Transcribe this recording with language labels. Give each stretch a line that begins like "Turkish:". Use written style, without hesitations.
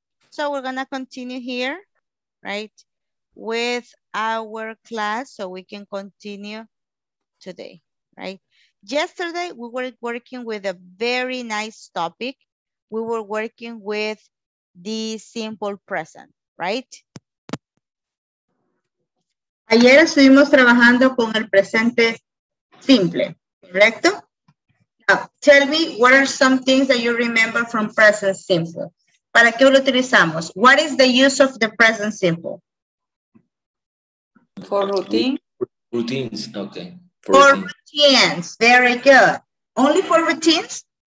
English: So we're going to continue here, right, with our class so we can continue today, right? Yesterday, we were working with a very nice topic. We were working with the simple present, right?
Spanish: Ayer estuvimos trabajando con el presente simple, ¿correcto?
English: Now, tell me, what are some things that you remember from present simple?
Spanish: ¿Para qué lo utilizamos?
English: What is the use of the present simple? For routine. Routines, okay. For routines, very good. Only for routines?